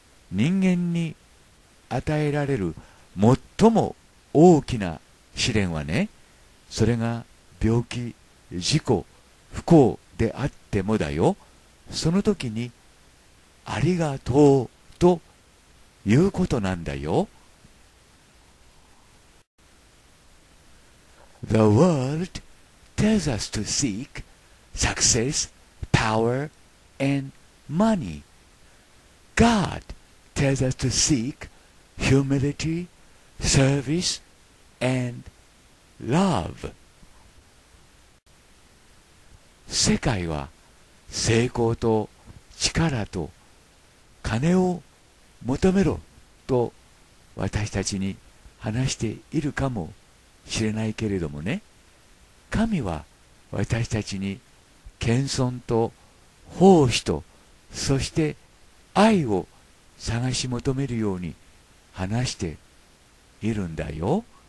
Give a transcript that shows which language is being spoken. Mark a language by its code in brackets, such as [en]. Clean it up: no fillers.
[ja] 人間に与えられる最も大きな試練はね、それが病気、事故、不幸であってもだよ。その時にありがとうということなんだよ。 [en] The world tells us to seek success, power, and money. GodTells us to seek humility, service, and love. [ja] 世界は成功と力と金を求めろと私たちに話しているかもしれないけれどもね、神は私たちに謙遜と奉仕とそして愛を探し求めるように話しているんだよ。